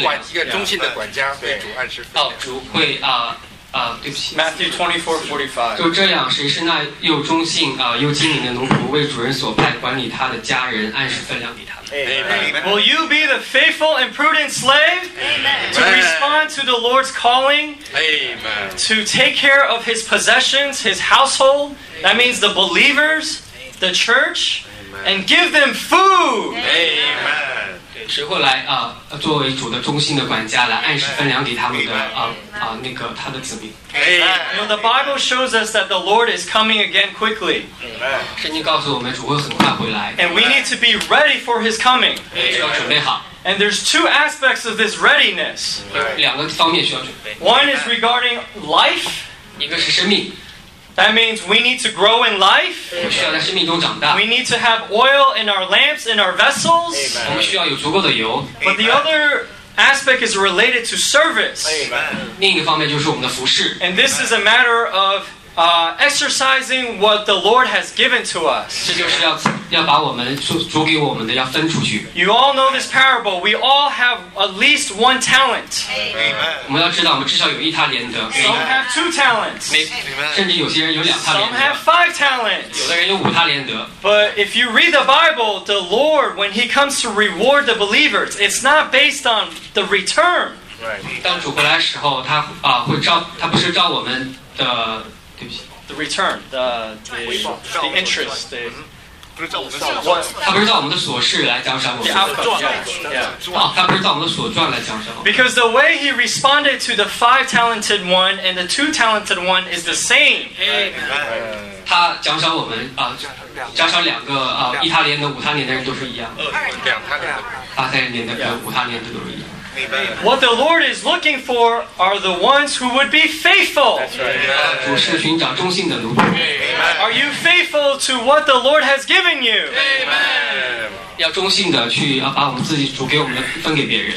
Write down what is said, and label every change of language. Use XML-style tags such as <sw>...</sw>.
<zh>一个忠心的管家为主按时分粮。哦，主会对不起。</zh> <en>Matthew 24:45.</en> <zh>就这样，谁是那又忠心又精明的奴仆，为主人所派管理他的家人，按时分粮给他们。</zh> <en>Amen. Will you be the faithful and prudent slave? Amen. To respond to the Lord's calling? Amen. To take care of his possessions, his household? That means the believers, the church? Amen. And give them food? Amen.</en> <zh>谁会来作为主的忠心的管家来按时分粮给他们的他的子民？</zh> <en>Amen. You know, the Bible shows us that the Lord is coming again quickly. Amen.</en> <zh>圣经告诉我们主会很快回来。</zh> <en>And we need to be ready for his coming.</en> <zh>需要准备好。</zh> <en>And there's two aspects of this readiness.</en> <zh>两个方面需要准备。</zh> <en>One is regarding life.</en> <zh>一个是生命。</zh> <en>That means we need to grow in life.</en> <zh>我们需要在生命中长大。</zh> <en>We need to have oil in our lamps, in our vessels.</en> <zh>我们需要有足够的油。</zh> <en>But the other aspect is related to service.</en> <zh>另一个方面就是我们的服事。</zh> <en>And this is a matter of exercising what the Lord has given to us.</en> <zh>这就是要把我们主给我们的要分出去。</zh> <en>You all know this parable. We all have at least one talent. Amen.</en> <zh>我们要知道，我们至少有一他连得。</zh> <en>Some have two talents. Amen.</en> <zh>甚至有些人有两他连得。</zh> <en>Some have five talents.</en> <zh>有的人有五他连得。</zh> <en>But if you read the Bible, the Lord, when He comes to reward the believers, it's not based on the return. Right.</en> <zh>当主回来的时候，他会照，他不是照我们的。</zh> <en>The return, the interest, the</en> <zh>他不是照我们的所事来奖赏我们。他不是照我们的所赚来奖赏我们。</zh> <en>Because the way he responded to the five talented one and the two talented one is the same. Amen.</en> <zh>他奖赏我们奖赏两个一他连的五他连的人都是一样的。两他连的五他连的都是一样的。</zh> <en>What the Lord is looking for are the ones who would be faithful. That's right. Amen. Are you faithful to what the Lord has given you? Amen.</en>